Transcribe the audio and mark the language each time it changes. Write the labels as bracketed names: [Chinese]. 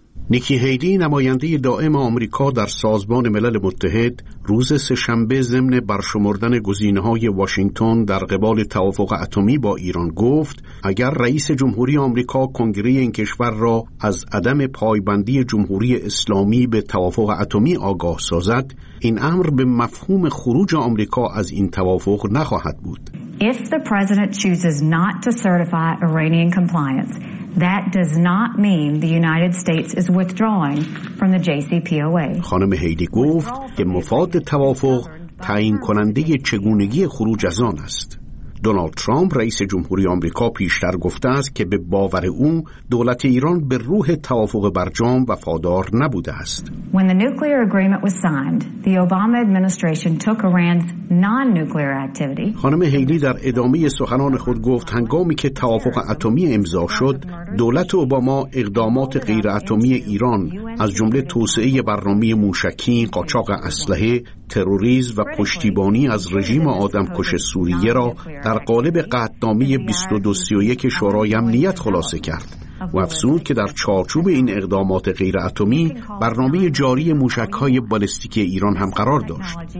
[Persian] نیکی هیلی نماینده دائم آمریکا در سازمان ملل متحد روز سه‌شنبه ضمن برشمردن گزینه‌های واشنگتن در قبال توافق اتمی با ایران گفت اگر رئیس جمهوری آمریکا کنگره این کشور را از عدم پایبندی جمهوری اسلامی به توافق اتمی آگاه سازد، این امر به مفهوم خروج آمریکا از این توافق نخواهد بود. [English] If the president chooses not to certify Iranian compliance, that does not mean the United States is withdrawing from the JCPOA. [Persian] خانم هیلی گفت که مفاد توافق تعیین کننده چگونگی خروج از آن است. دونالد ترامپ رئیس جمهوری آمریکا پیشتر گفته است که به باور او دولت ایران به روح توافق برجام وفادار نبوده است. [English] When the nuclear agreement was signed, the Obama administration took Iran's non-nuclear activity. [Persian] خانم هیلی در ادامه سخنان خود گفت هنگامی که توافق اتمی امضا شد، دولت اوباما اقدامات غیر اتمی ایران از جمله توسعه برنامه موشکی، قاچاق اسلحه، تروریسم و پشتیبانی از رژیم آدمکش سوریه را در قالب قطعنامه 2231 شورای امنیت خلاصه کرد و افزود که در چارچوب این اقدامات غیر اتمی برنامه جاری موشک‌های بالستیک ایران هم قرار داشت.